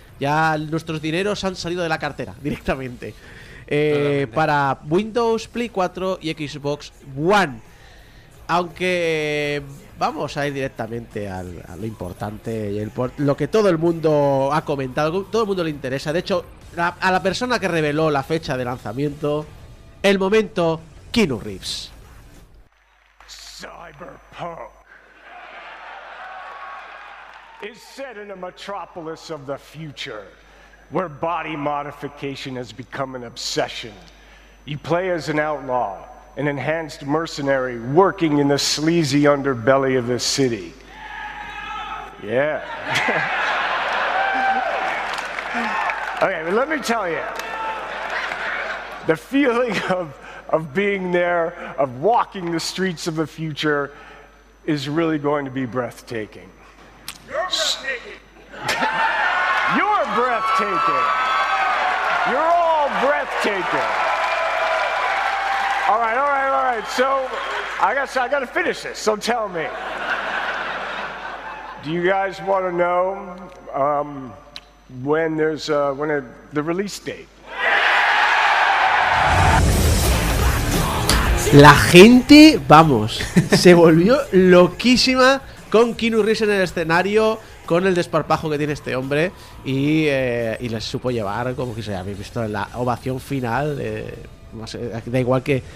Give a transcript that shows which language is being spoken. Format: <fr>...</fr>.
<es>Ya nuestros dineros han salido de la cartera directamente. Para Windows, Play 4 y Xbox One. Aunque vamos a ir directamente a lo importante y lo que todo el mundo ha comentado, todo el mundo le interesa. De hecho, a la persona que reveló la fecha de lanzamiento, el momento, Keanu Reeves.</es> <en>Cyberpunk is set in a metropolis of the future, where body modification has become an obsession. You play as an outlaw, an enhanced mercenary working in the sleazy underbelly of the city. Yeah. Okay, but let me tell you, the feeling of being there, of walking the streets of the future, is really going to be breathtaking. You're breathtaking. You're all breathtaking. All right, all right, all right. So I gotta finish this. So tell me, do you guys want to know when the release date?</en> <es>La gente, vamos, se volvió loquísima con Keanu Reeves en el escenario, con el desparpajo que tiene este hombre, y les supo llevar, como que se habéis visto en la ovación final. Da igual que...</es>